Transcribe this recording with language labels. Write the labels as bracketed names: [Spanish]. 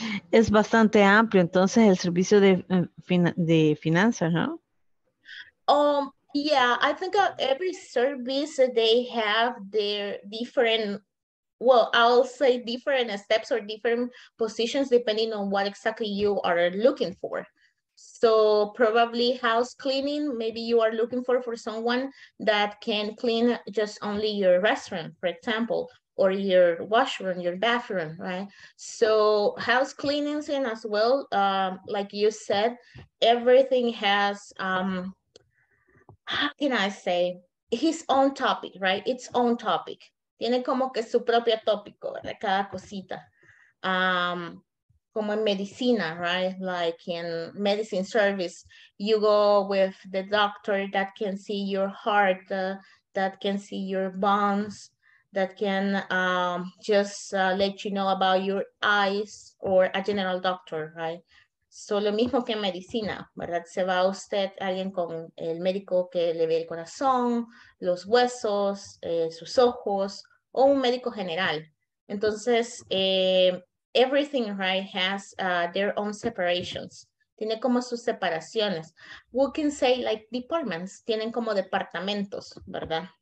[Spanish] Es bastante amplio, entonces el servicio de finanzas, ¿no? [English] Yeah, I think every service, they have their different, well, I'll say different steps or different positions depending on what exactly you are looking for. So probably house cleaning, maybe you are looking for someone that can clean just only your restroom, for example, or your washroom, your bathroom, right? So house cleaning thing as well, like you said, everything has... How can I say his own topic, right? Its own topic. [Spanish] Tiene como que su propio tópico, ¿verdad? Cada cosita. Como en medicina, right? [English] Like in medicine service, you go with the doctor that can see your heart, that can see your bones, that can just let you know about your eyes, or a general doctor, right? [Spanish] So lo mismo que en medicina, ¿verdad? Se va usted alguien con el médico que le ve el corazón, los huesos, sus ojos, o un médico general. [English] Entonces, everything, right, has their own separations. [Spanish] Tiene como sus separaciones. [English] We can say like departments, [Spanish] tienen como departamentos, ¿verdad?